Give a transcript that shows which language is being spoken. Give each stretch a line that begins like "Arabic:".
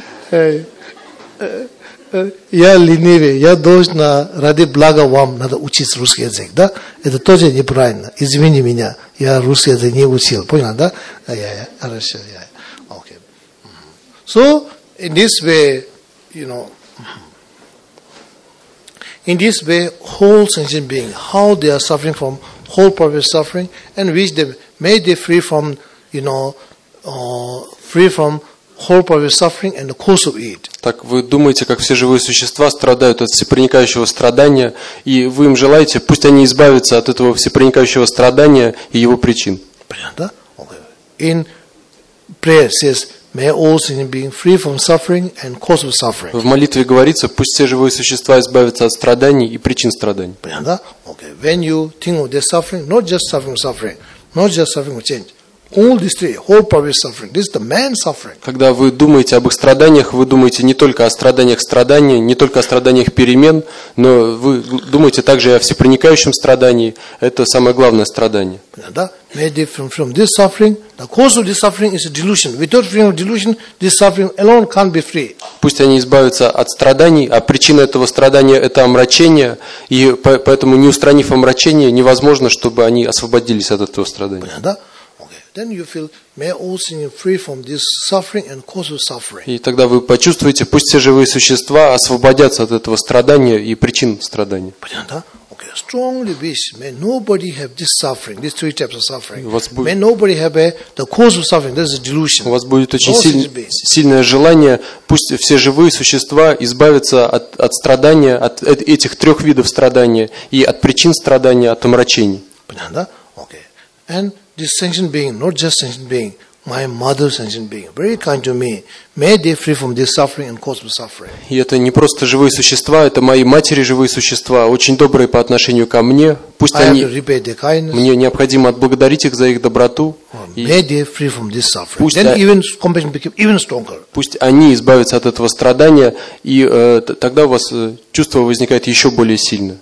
Russian: Я ленивый, я должен ради блага вам надо учить русский язык, да? Это тоже неправильно. Извини меня, я русский язык не учил, понял, да? Я, хорошо, я, окей.
English: So in this way, whole sentient being, how they are suffering from whole purpose suffering, and which they may they free from, you know, free from. Whole purpose suffering and the cause of it.
Russian: Так вы думаете, как все живые существа страдают от всепроникающего страдания, и вы им желаете, пусть они избавятся от этого всепроникающего страдания и его причин. Понятно?
English: Okay. In prayer says, may all sentient beings free from suffering and cause of suffering.
Russian: В молитве говорится, пусть все живые существа избавятся от страданий и причин страданий. Понятно? Okay.
English: When you think of their suffering, not just suffering, not just suffering will change. All these three, whole purpose suffering. This is the man suffering.
Russian: Когда вы думаете об их страданиях, вы думаете не только о страданиях страдания, не только о страданиях перемен, но вы думаете также и о всепроникающем страдании. Это самое главное страдание. Да.
English: Made from this suffering, the cause of this suffering is a delusion. Without freedom of delusion, this suffering alone can't be free.
Russian: Пусть они избавятся от страданий, а причина этого страдания это омрачение, и поэтому не устранив омрачение, невозможно, чтобы они освободились от этого страдания. Понятно, да?
English: Then you feel may all sentient free from this suffering and cause of suffering.
Russian: И тогда вы почувствуете, пусть все живые существа освободятся от этого страдания и причин страдания. Понятно, да? Okay.
English: strongly wish may nobody have this suffering, these three types of suffering. May nobody have the cause of suffering. This is delusion.
Russian: У вас будет очень сильное желание, пусть все живые существа избавятся от страдания, от этих трех видов страдания и от причин страдания, от омрачений. Понятно? Okay.
English: And this sentient being, not just sentient being, my mother sentient being, very kind to me. May they free from this suffering and cause of suffering.
Russian: И это не просто живые существа, это мои матери живые существа, очень добрые по отношению ко мне. Пусть они.
English: I have to repay their kindness.
Russian: Мне необходимо отблагодарить их за их доброту.
English: May they free from this suffering. Then even compassion become even stronger.
Russian: Пусть они избавятся от этого страдания, и тогда у вас чувство возникает еще более сильное.